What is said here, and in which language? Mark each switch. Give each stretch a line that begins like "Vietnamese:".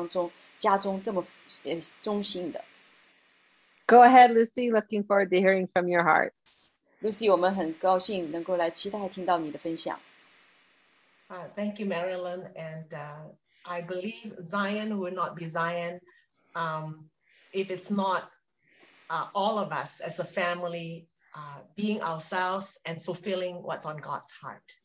Chinese: 他也是另一个这么多年在我们当中家中这么忠心的。
English: Go ahead, Lucy, looking forward to hearing from your heart.
Chinese: Lucy, 我们很高兴能够来期待听到你的分享。
English: Thank you, Marilyn. And I believe Zion would not be Zion if it's not all of us as a family being ourselves and fulfilling what's on God's heart.